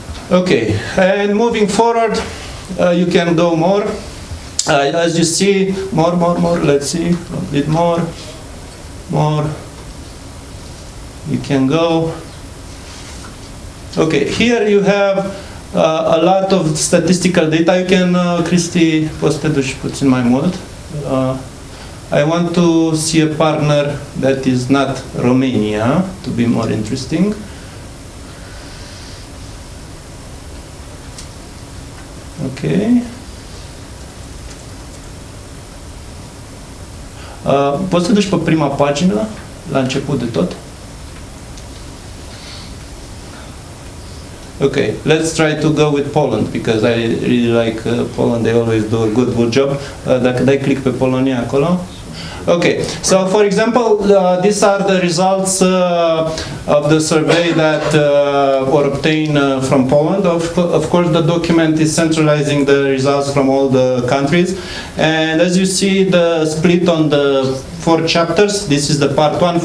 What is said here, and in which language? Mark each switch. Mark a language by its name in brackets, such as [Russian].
[English] Okay, and moving forward, you can go more. As you see, more, let's see, a bit more, you can go. Okay, here you have a lot of statistical data. You can, [Romanian] Cristi, postă-te-și puțin mai mult. [English] I want to see a partner that is not Romania, to be more interesting. Okay. [Romanian] Poți să duci pe prima pagină, la început de tot? [English] Okay, let's try to go with Poland, because I really like Poland, they always do a good job. [Romanian] Dacă dai click pe Polonia acolo. [English] Okay, so for example, these are the results of the survey that were obtained from Poland. Of course, the document is centralizing the results from all the countries. And as you see, the split on the four chapters, this is the part one.